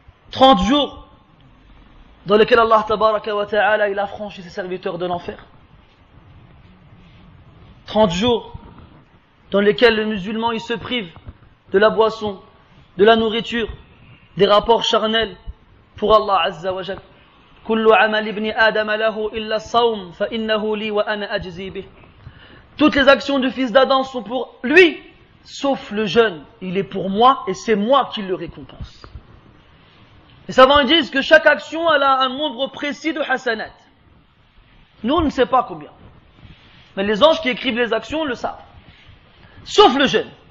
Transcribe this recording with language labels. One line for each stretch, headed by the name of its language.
French: 30 jours dans lesquels Allah tabaraka wa ta'ala il a franchi ses serviteurs de l'enfer. 30 jours dans lesquels le musulman il se prive de la boisson, de la nourriture, des rapports charnels pour Allah azza wa jalla.
Arabic: كل عمل ابن آدم له إلا الصوم فإنه لي وأنا أجزي به.
French: Toutes les actions du fils d'Adam sont pour lui, sauf le jeûne. Il est pour moi et c'est moi qui le récompense. Les savants disent que chaque action elle a un nombre précis de hasanat. Nous on ne sait pas combien, mais les anges qui écrivent les actions le savent. Sauf le jeûne.